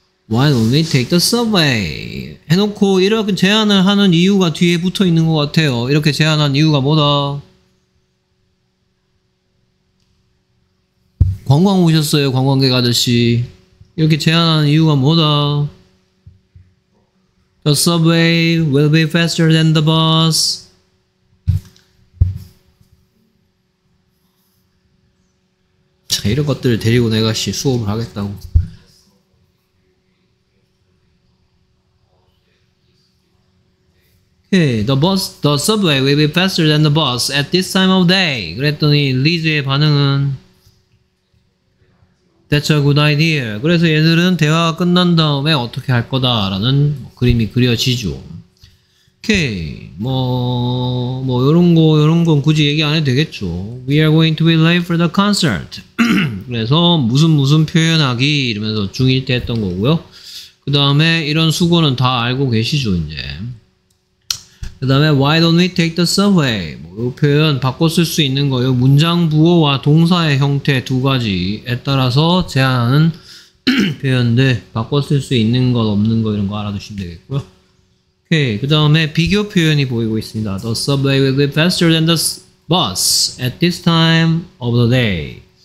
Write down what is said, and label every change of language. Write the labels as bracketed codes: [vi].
[ko] 해놓고 이렇게 제안을 하는 이유가 뒤에 붙어 있는 것 같아요. 이렇게 제안한 이유가 뭐다? 관광 오셨어요, 관광객 아저씨. 이렇게 제안한 이유가 뭐다? [en] The subway will be faster than the bus. [ko] 자, 이런 것들을 데리고 내가 씨 수업을 하겠다고. [en] 오케이, the subway will be faster than the bus at this time of day. [ko] 그랬더니 리즈의 반응은 [en] That's a good idea. [ko] 그래서 얘들은 대화가 끝난 다음에 어떻게 할 거다라는 그림이 그려지죠. 오케이, 요런 건 굳이 얘기 안 해도 되겠죠. [en] We are going to be late for the concert. [ko] 그래서 무슨 표현하기 이러면서 중1 때 했던 거고요. 그 다음에 이런 수고는 다 알고 계시죠, 이제. 그 다음에 [en] why don't we take the subway? [ko] 뭐 이 표현 바꿔 쓸 수 있는 거예요. 문장 부호와 동사의 형태 두 가지에 따라서 제안하는 표현들 바꿔 쓸 수 있는 것 없는 거 이런 거 알아두시면 되겠고요. 오케이, 그 다음에 비교 표현이 보이고 있습니다. [en] The subway will be faster than the bus at this time of the day.